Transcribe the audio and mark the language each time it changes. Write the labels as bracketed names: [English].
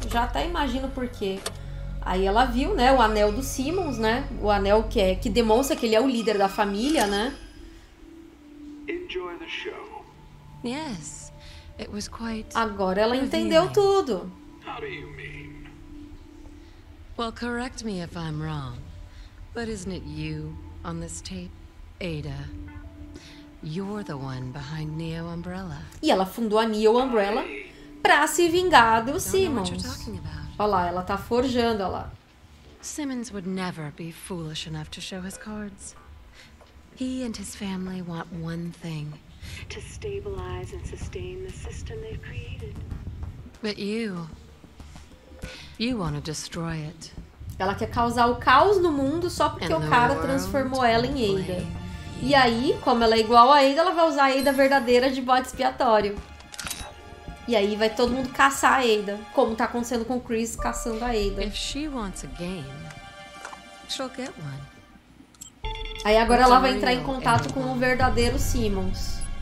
[Portuguese] Já até imagino por quê. Aí ela viu, né, o anel do Simmons, né? O anel que demonstra que ele é o líder da família, né? [English] Enjoy the show. Yes. It was quite. [Portuguese] Agora ela entendeu tudo. [English] How do you mean? Well, correct me if I'm wrong, But isn't it you on this tape, Ada? You're the one behind Neo Umbrella. [Portuguese] E ela fundou a Neo Umbrella pra se vingar do Simmons. Olha lá, ela tá forjando, olha lá. [English] Simmons would never be foolish enough to show his cards. He and his family want one thing. To stabilize and sustain the system they've created. But you want to destroy it. [Portuguese] Ela quer causar o caos no mundo só porque and o cara transformou ela em Ada. E aí, como ela é igual a Ada, ela vai usar a Ada verdadeira de bode expiatório. E aí vai todo mundo caçar a Ada, como tá acontecendo com o Chris caçando a Ada. [English] If she wants a game, she'll get one. [Portuguese] Aí agora ela vai entrar em contato com o verdadeiro Simmons.